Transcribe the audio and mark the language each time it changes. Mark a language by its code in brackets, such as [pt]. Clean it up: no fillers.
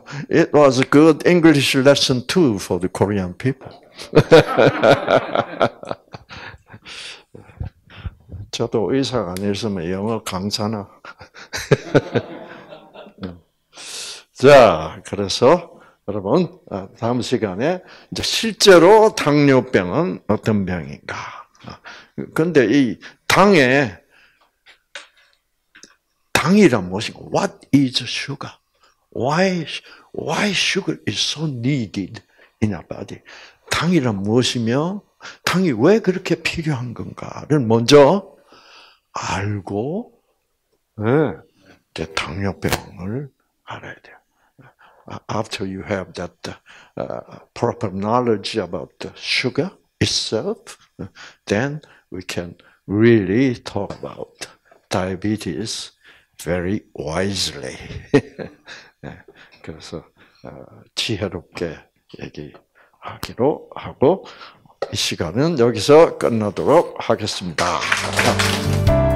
[en] It was a good English lesson too for the Korean people. [ko] 저도 의사가 아니었으면 영어 강사나. 자, 그래서 여러분, 다음 시간에 이제 실제로 당뇨병은 어떤 병인가. 근데 이 당에, 당이란 무엇인가? [en] What is sugar? Why sugar is so needed in our body? [ko] 당이란 무엇이며, 당이 왜 그렇게 필요한 건가를 먼저 알고, 네. 당뇨병을 알아야 돼요. [en] After you have that proper knowledge about the sugar itself, then we can really talk about diabetes very wisely. [ko] 그래서 지혜롭게 얘기하기로 하고 이 시간은 여기서 끝나도록 하겠습니다.